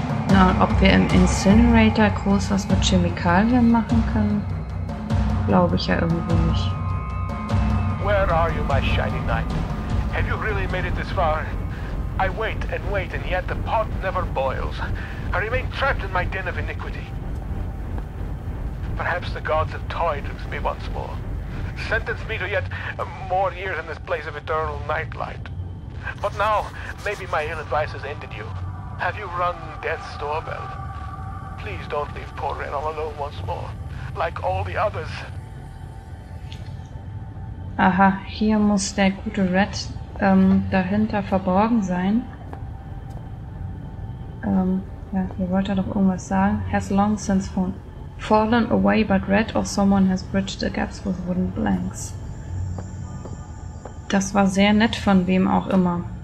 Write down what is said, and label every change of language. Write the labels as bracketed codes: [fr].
[de] Na, ob wir im Incinerator groß was mit Chemikalien machen können, glaube ich ja irgendwie nicht. [en] Where are you, my shiny knight? Have you really made it this far? I wait and wait, and yet the pot never boils. I remain trapped in my den of iniquity. Perhaps the gods have toyed with me once more. Sentenced me to yet more years in this place of eternal nightlight. But now, maybe my ill advice has ended you. Have you rung death's doorbell? Please don't leave poor Ren all alone once more, like all the others. [de] Aha, hier muss der gute Red dahinter verborgen sein. Ja, hier wollte er doch irgendwas sagen. [en] Has long since fallen away, but Red or someone has bridged the gaps with wooden blanks. [de] Das war sehr nett von wem auch immer.